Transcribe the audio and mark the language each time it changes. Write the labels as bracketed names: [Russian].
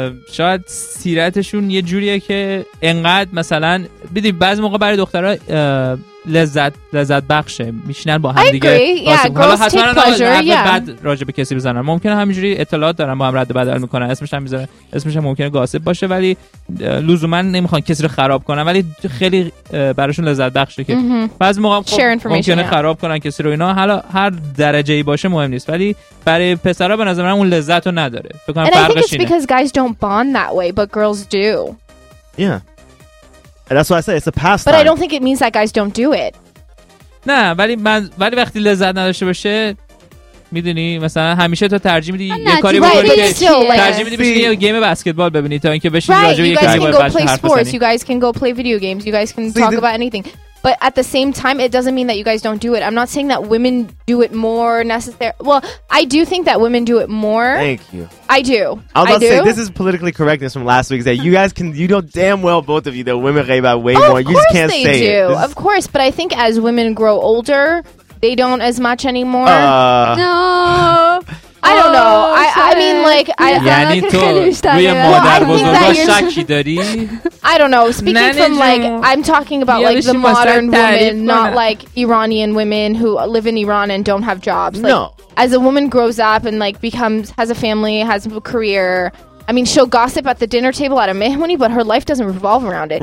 [Persian] شاید سیرتشون یه جوریه که انقدر مثلا ببین بعضی موقع برای دخترها لذت بخشه، میشینن با هم دیگه حالا حتما بعد راجع به کسی بزنن، ممکنه همینجوری اطلاعات دارن با هم رد و بدل میکنن، اسمش هم میذارن، اسمش هم ممکنه گاسب باشه، ولی لزوما نمیخوان کسی رو خراب کنن، ولی خیلی براشون لذت بخشه که بعضی موقع ممکنه خراب کنن کسی رو، اینا حالا هر درجه ای باشه مهم نیست، ولی برای پسرا به نظر من اون لذت رو نداره، فکر کنم فرقش اینه. [English] Because guys don't bond that way but girls do. Yeah. And that's why I say it's a pastime. But I don't think it means that guys don't do it. [Persian] نه، ولی وقتی لذت نداشته باشه، میدونی مثلا همیشه تو ترجیح میدی یه کاری بکنی، ترجیح میدی بشینی یه گیم بسکتبال ببینی تا اینکه بشینی راجع به یه کاری بحث کنی. [English] You guys can go play sports, you guys can go play video games, you guys can talk about anything. But at the same time, it doesn't mean that you guys don't do it. I'm not saying that women do it more necessarily. Well, I do think that women do it more. Thank you. I do. I was about to say, this is politically correctness from last week. That you guys can, you know damn well, both of you, that women rave out way more. You just can't say it. Of course they do. Of course. But I think as women grow older, they don't as much anymore. No. I don't know. I mean, like, [Persian] یعنی تو روی مادر بزرگا شکی داری؟ [English] I don't know. Speaking from, like, I'm talking about, like, the modern women, not, like, Iranian women who live in Iran and don't have jobs. No. As a woman grows up and, like, becomes, has a family, has a career, I mean, she'll gossip at the dinner table at a mehmani, but her life doesn't revolve around it.